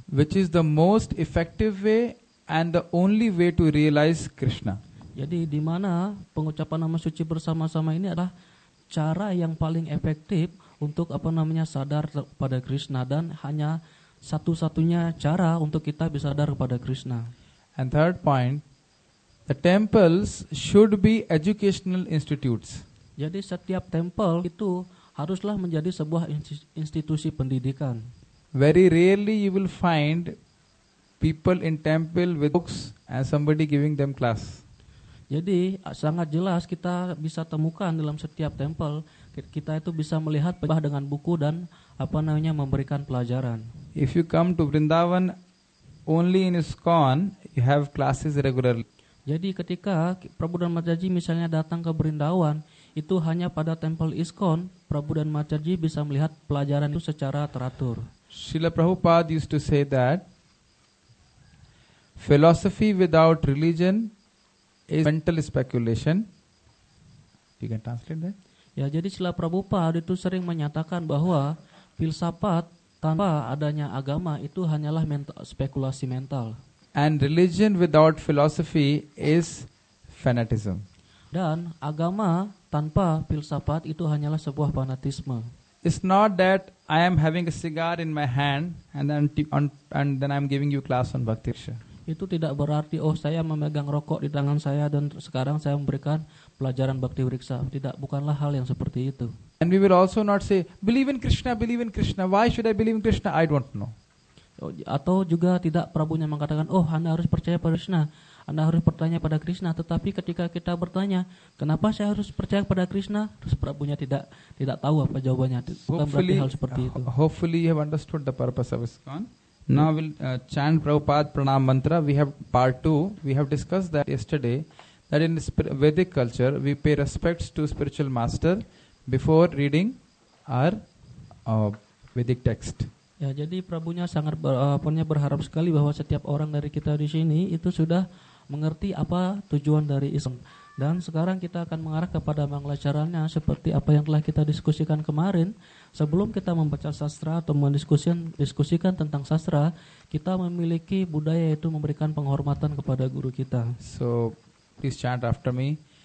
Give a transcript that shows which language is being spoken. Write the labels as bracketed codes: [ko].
[en] Which is the most effective way and the only way to realize Krishna. [id] Jadi di mana pengucapan nama suci bersama-sama ini adalah cara yang paling efektif untuk sadar kepada Krishna, dan hanya satu-satunya cara untuk kita bisa sadar kepada Krishna. [en] And third point, the temples should be educational institutes. [id] Jadi setiap temple itu haruslah menjadi sebuah institusi pendidikan. [en] Very rarely you will find people in temple with books and somebody giving them class. [id] Jadi sangat jelas kita bisa temukan dalam setiap temple, kita itu bisa melihat penjelasan dengan buku dan memberikan pelajaran. [en] If you come to Vrindavan only in ISKCON, you have classes regularly. [id] Jadi ketika Prabhu dan Mataji misalnya datang ke Vrindavan, itu hanya pada temple ISKCON, Prabhu dan Mataji bisa melihat pelajaran itu secara teratur. [en] Srila Prabhupada used to say that philosophy without religion is mental speculation. You can translate that? [id] Ya, jadi Srila Prabhupada itu sering menyatakan bahwa filsafat tanpa adanya agama itu hanyalah spekulasi mental. [en] And religion without philosophy is fanatism. [id] Dan agama tanpa filsafat itu hanyalah sebuah fanatisme. [en] It's not that I am having a cigar in my hand and then I'm giving you class on Bhakti Raksha. [id] Itu tidak berarti oh saya memegang rokok di tangan saya dan sekarang saya memberikan pelajaran Bhakti Raksha. Tidak, bukanlah hal yang seperti itu. [en] And we will also not say believe in Krishna, why should I believe in Krishna? I don't know. [id] Atau juga tidak Prabhunya mengatakan, oh Anda harus percaya pada Krishna, Anda harus bertanya pada Krishna. Tetapi ketika kita bertanya, kenapa saya harus percaya pada Krishna, terus Prabhunya tidak tahu apa jawabannya. Bukan berarti hal seperti itu. [en] Hopefully you have understood the purpose of ISKCON. Now we'll chant Prabhupada Pranam Mantra. We have part 2. We have discussed that yesterday, that in Vedic culture, we pay respects to spiritual master before reading our Vedic text. [id] Ya, jadi Prabhunya sangat berharap sekali bahwa setiap orang dari kita di sini itu sudah mengerti apa tujuan dari ISKCON. Dan sekarang kita akan mengarah kepada manglacaranya seperti apa yang telah kita diskusikan kemarin. Sebelum kita membaca sastra atau mendiskusikan tentang sastra, kita memiliki budaya yaitu memberikan penghormatan kepada guru kita. [en] So, please chant after me.